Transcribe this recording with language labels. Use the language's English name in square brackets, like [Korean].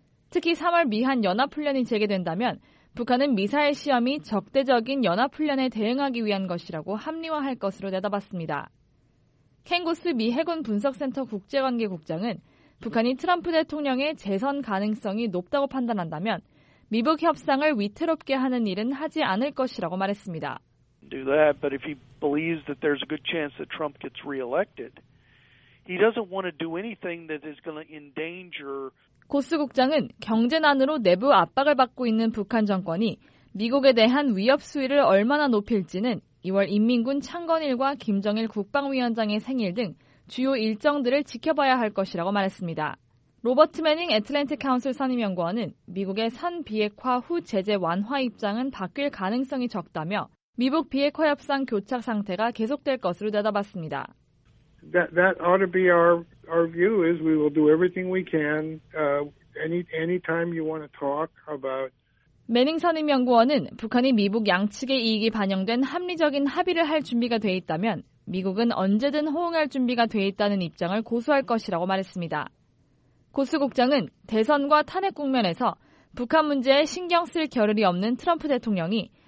[Korean] 특히 3월 미한 연합훈련이 재개된다면 북한은 미사일 시험이 적대적인 연합훈련에 대응하기 위한 것이라고 합리화할 것으로 내다봤습니다. 켄고스 미 해군 분석센터 국제관계국장은 북한이 트럼프 대통령의 재선 가능성이 높다고 판단한다면 미북 협상을 위태롭게 하는 일은 하지 않을 것이라고 말했습니다. [English] Do that, but if he believes that there's a good chance that Trump gets reelected, he doesn't want to do anything that is going to endanger. [Korean] 고스 국장은 경제난으로 내부 압박을 받고 있는 북한 정권이 미국에 대한 위협 수위를 얼마나 높일지는 2월 인민군 창건일과 김정일 국방위원장의 생일 등 주요 일정들을 지켜봐야 할 것이라고 말했습니다. 로버트 매닝 애틀랜틱 카운슬 선임연구원은 미국의 선 비핵화 후 제재 완화 입장은 바뀔 가능성이 적다며 미북 비핵화 협상 교착 상태가 계속될 것으로 내다봤습니다. [English] That ought to be our view is we will do everything we can anytime you want to talk about [Korean] 매닝 선임연구원은 북한이 미북 양측의 이익이 반영된 합리적인 합의를 할 준비가 돼 있다면 미국은 언제든 호응할 준비가 돼 있다는 입장을 고수할 것이라고 말했습니다. 고스 국장은 대선과 탄핵 국면에서 북한 문제에 신경 쓸 겨를이 없는 트럼프 대통령이